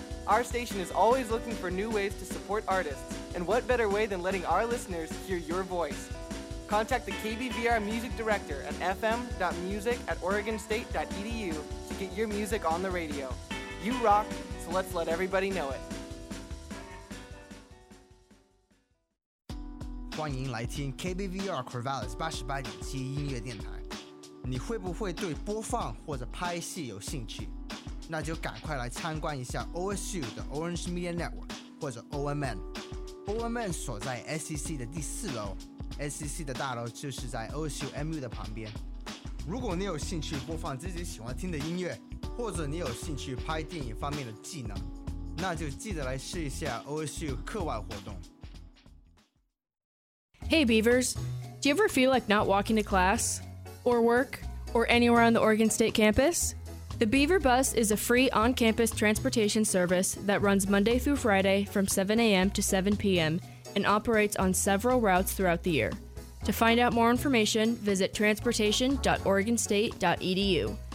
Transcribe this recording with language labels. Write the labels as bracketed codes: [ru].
[en] Our station is always looking for new ways to support artists, and what better way than letting our listeners hear your voice? Contact the KBVR Music Director at fm.music@oregonstate.edu to get your music on the radio. You rock, so let's let everybody know it. [zh] 欢迎来听 KBVR Corvallis 88.7音乐电台。你会不会对播放或者拍戏有兴趣？那就赶快来参观一下 OSU 的 Orange Media Network 或者 OMN。 OMN 所在 SEC 的第四楼 ，SEC 的大楼就是在 OSU MU 的旁边。如果你有兴趣播放自己喜欢听的音乐，或者你有兴趣拍电影方面的技能，那就记得来试一下 OSU 课外活动。 [en] Hey Beavers, do you ever feel like not walking to class, or work, or anywhere on the Oregon State campus? The Beaver Bus is a free on-campus transportation service that runs Monday through Friday from 7 a.m. to 7 p.m. and operates on several routes throughout the year. To find out more information, visit transportation.oregonstate.edu.